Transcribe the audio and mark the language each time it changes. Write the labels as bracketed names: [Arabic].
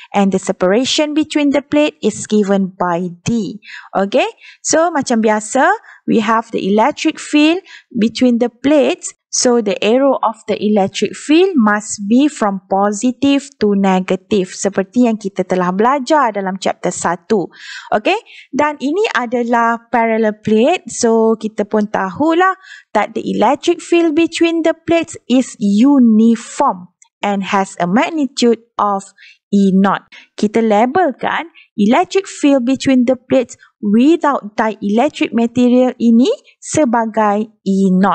[English] And the separation between the plate is given by D. Okay, so [Malay] macam biasa, [English] we have the electric field between the plates. So, the arrow of the electric field must be from positive to negative. [Malay] Seperti yang kita telah belajar dalam chapter 1. Okay, dan ini adalah parallel plate. [English] So, [Malay] kita pun tahulah [English] that the electric field between the plates is uniform and has a magnitude of E0. [Malay] Kita labelkan [English] electric field between the plates without dielectric material [Malay] ini sebagai E0.